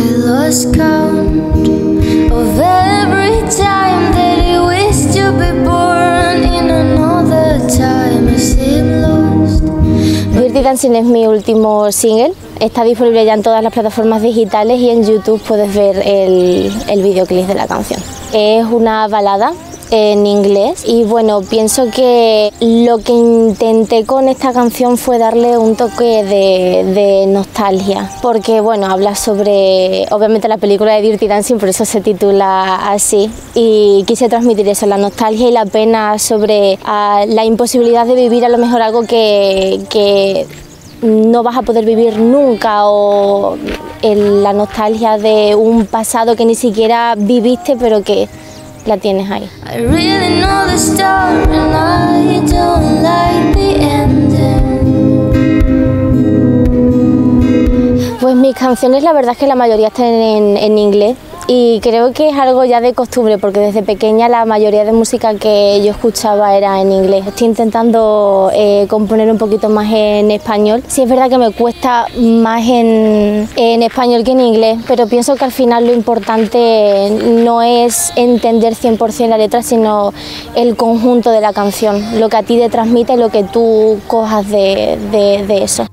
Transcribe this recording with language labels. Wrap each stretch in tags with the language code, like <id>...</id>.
<en>lost count of every time that you wish to be born in another time. I seem lost.</en> <es>Dirty Dancing es mi último single. Está disponible ya en todas las plataformas digitales y en YouTube puedes ver el videoclip de la canción. Es una balada en inglés y bueno, pienso que lo que intenté con esta canción fue darle un toque de nostalgia, porque bueno, habla sobre obviamente la película de Dirty Dancing, por eso se titula así, y quise transmitir eso, la nostalgia y la pena sobre la imposibilidad de vivir a lo mejor algo que no vas a poder vivir nunca, o la nostalgia de un pasado que ni siquiera viviste pero que la tienes ahí. I really know the start and I don't like the ending. Pues mis canciones, la verdad es que la mayoría están en inglés. Y creo que es algo ya de costumbre, porque desde pequeña la mayoría de música que yo escuchaba era en inglés. Estoy intentando componer un poquito más en español. Sí, es verdad que me cuesta más en español que en inglés, pero pienso que al final lo importante no es entender 100% la letra, sino el conjunto de la canción, lo que a ti te transmite, lo que tú cojas de eso.</es>